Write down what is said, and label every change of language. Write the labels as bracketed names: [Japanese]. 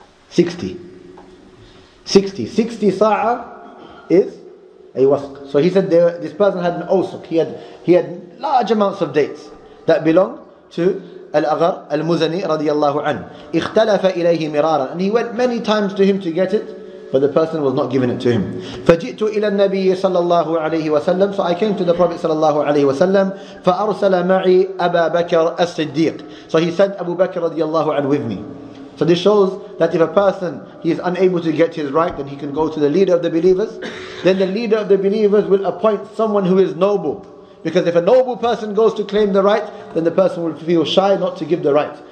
[English] 60 sa'a is a wasq. So he said this person had an awsaq. He had large amounts of dates that belong to Al-Aghar Al-Muzani radiyallahu anhu. [Arabic] اختلف إليه مرارا. [English] And he went many times to him to get it, but the person was not giving it to him. [Arabic] فجئت إلى النبي صلى الله عليه وسلم. [English] So I came to the Prophet صلى الله عليه وسلم. [Arabic] فأرسل معي أبا بكر الصديق. [English] So he sent Abu Bakr radiyallahu anhu with me. So this shows that if a person, he is unable to get his right, then he can go to the leader of the believers. Then the leader of the believers will appoint someone who is noble. Because if a noble person goes to claim the right, then the person will feel shy not to give the right.